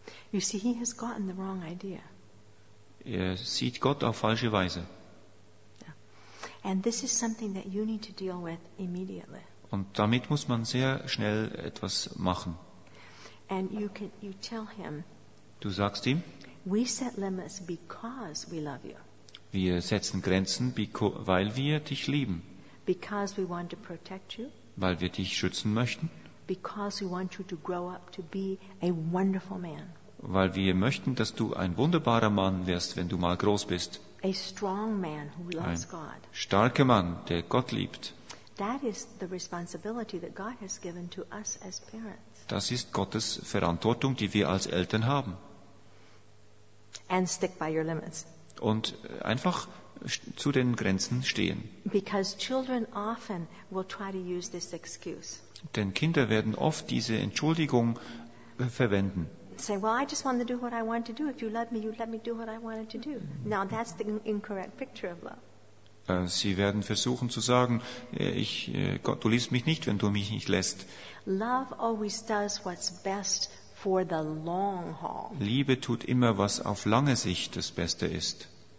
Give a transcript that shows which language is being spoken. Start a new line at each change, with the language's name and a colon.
English: You see, he has gotten the wrong idea.
German: Er sieht Gott auf falsche Weise.
English: And this is something that you need to deal with immediately.
German: Und damit muss man sehr schnell etwas machen.
English: And you tell him,
German: du sagst ihm,
English: we set limits because we love you.
German: Wir setzen Grenzen, weil wir dich lieben.
English: Because we want to protect you.
German: Weil wir dich schützen möchten.
English: Because we want you to grow up to be a wonderful man.
German: Weil wir möchten, dass du ein wunderbarer Mann wirst, wenn du mal groß bist.
English: A strong man who loves God.
German: Ein starker Mann, der Gott liebt.
English: That is the responsibility that God has given to us as parents.
German: Das ist Gottes Verantwortung, die wir als Eltern haben.
English: And stick by your limits.
German: Und einfach zu den Grenzen stehen.
English: Because children often will try to use this excuse.
German: Denn Kinder werden oft diese Entschuldigung verwenden.
English: Say, well, I just want to do what I want to do. If you love me, you let me do what I wanted to do. Now that's the incorrect picture of love.
German: Sie werden versuchen zu sagen, Gott, du liebst mich nicht, wenn du mich nicht lässt.
English: Love always does what's best for the long haul.
German: Liebe tut immer, was auf lange Sicht das Beste ist.